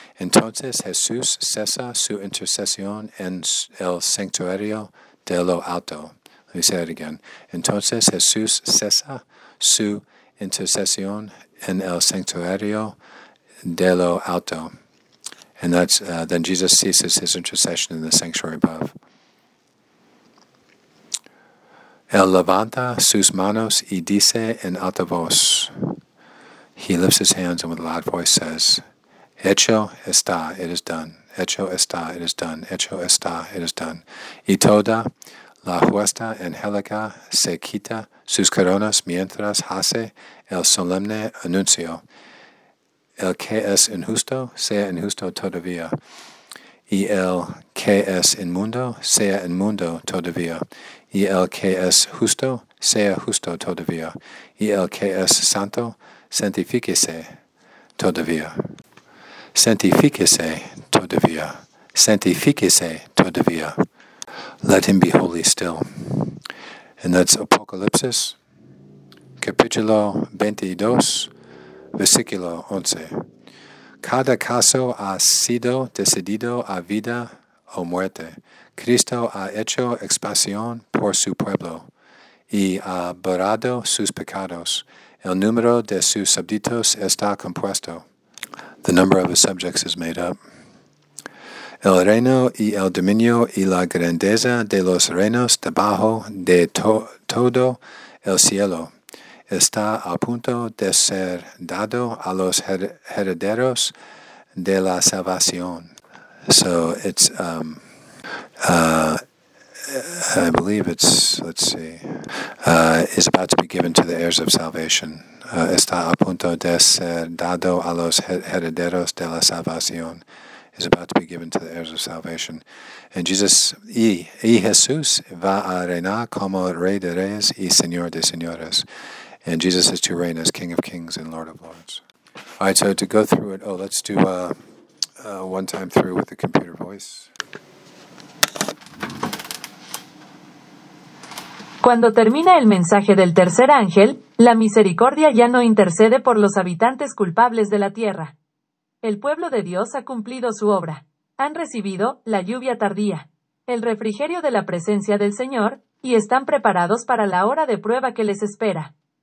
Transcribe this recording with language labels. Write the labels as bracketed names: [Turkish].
[Spanish] Entonces Jesús cesa su intercesión en el santuario de lo alto. [English] Let me say it again. [Spanish] Entonces Jesús cesa su intercesión en el santuario de lo alto. [English] And that's, then Jesus ceases his intercession in the sanctuary above. [Spanish] Él levanta sus manos y dice en alta voz. [English] He lifts his hands and with a loud voice says, [Spanish] Hecho está, [English] it is done. [Spanish] Hecho está, [English] it is done. Hecho está, it is done. [Spanish] Y toda la huesta angélica se quita sus coronas mientras hace el solemne anuncio. El que es injusto, sea injusto todavía. Y el que es inmundo, sea inmundo todavía. Y el que es justo, sea justo todavía. Y el que es santo, santifíquese todavía. Santifíquese todavía. Santifíquese todavía. [English] Let him be holy still. And that's Apocalypse, [Spanish] capítulo 22, versículo 11. Cada caso ha sido decidido a vida o muerte. Cristo ha hecho expiación por su pueblo y ha borrado sus pecados. El número de sus subditos está compuesto. [English] The number of his subjects is made up. [Spanish] El reino y el dominio y la grandeza de los reinos debajo de todo el cielo. está a punto de ser dado a los herederos de la salvación. [English] So it's, I believe it's, let's see, is about to be given to the heirs of salvation. [Spanish] Está a punto de ser dado a los herederos de la salvación. [English] Is about to be given to the heirs of salvation. And Jesus, [Spanish] y Jesús va a reinar como rey de reyes y señor de señores. [English] And Jesus is to reign as King of Kings and Lord of Lords. All right, so to go through it, oh, let's do one time through with the computer voice. [Spanish] Cuando termina el mensaje del tercer ángel, la misericordia ya no intercede por los habitantes culpables de la tierra. El pueblo de Dios ha cumplido su obra. Han recibido la lluvia tardía, el refrigerio de la presencia del Señor, y están preparados para la hora de prueba que les espera.